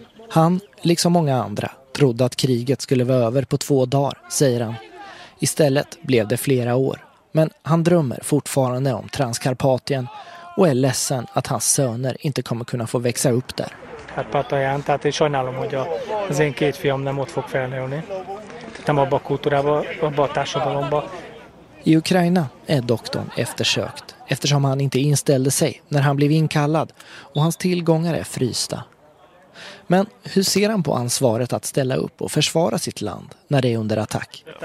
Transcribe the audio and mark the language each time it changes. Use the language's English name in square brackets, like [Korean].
[Swedish] Han, liksom många andra, trodde att kriget skulle vara över på 2 dagar, säger han. Istället blev det flera år. Men han drömmer fortfarande om Transkarpatien och är ledsen att hans söner inte kommer kunna få växa upp där. [Hungarian] Karpatien, tehát én sajnálom, hogy az én két fiam nem ott fog felnőni. Nem abba a kultúrába, abba a társadalomba. [Swedish] I Ukraina är doktorn eftersökt eftersom han inte inställde sig när han blev inkallad och hans tillgångar är frysta. Men hur ser han på ansvaret att ställa upp och försvara sitt land när det är under attack?